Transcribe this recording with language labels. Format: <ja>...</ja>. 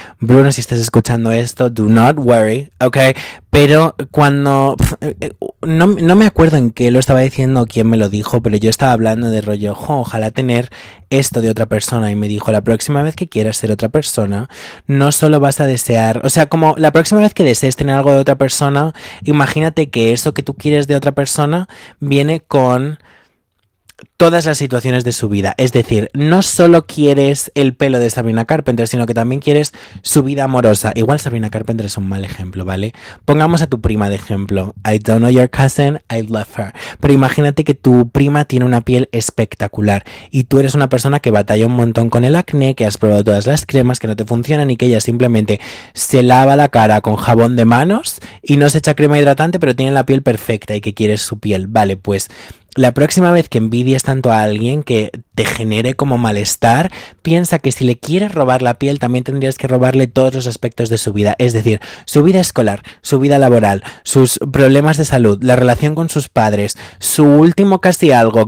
<es>Bruno, si estás escuchando esto,</es> <en>do not worry,</en> <es>¿ok? Pero cuando no me acuerdo en qué lo estaba diciendo o quién me lo dijo, pero yo estaba hablando de rollo, jo, ojalá tener esto de otra persona. Y me dijo, la próxima vez que quieras ser otra persona, no solo vas a desear, o sea, como la próxima vez que desees tener algo de otra persona, imagínate que eso que tú quieres de otra persona viene con todas las situaciones de su vida. Es decir, no solo quieres el pelo de Sabrina Carpenter, sino que también quieres su vida amorosa. Igual Sabrina Carpenter es un mal ejemplo, ¿vale? Pongamos a tu prima de ejemplo.</es> <en>I don't know your cousin, I love her.</en> <es>Pero imagínate que tu prima tiene una piel espectacular y tú eres una persona que batalla un montón con el acné, que has probado todas las cremas, que no te funcionan y que ella simplemente se lava la cara con jabón de manos y no se echa crema hidratante, pero tiene la piel perfecta y que quieres su piel. Vale, pues la próxima vez que envidies tanto a alguien que te genere como malestar, piensa que si le quieres robar la piel, también tendrías que robarle todos los aspectos de su vida, es decir, su vida escolar, su vida laboral, sus problemas de salud, la relación con sus padres, su último casi algo.</es>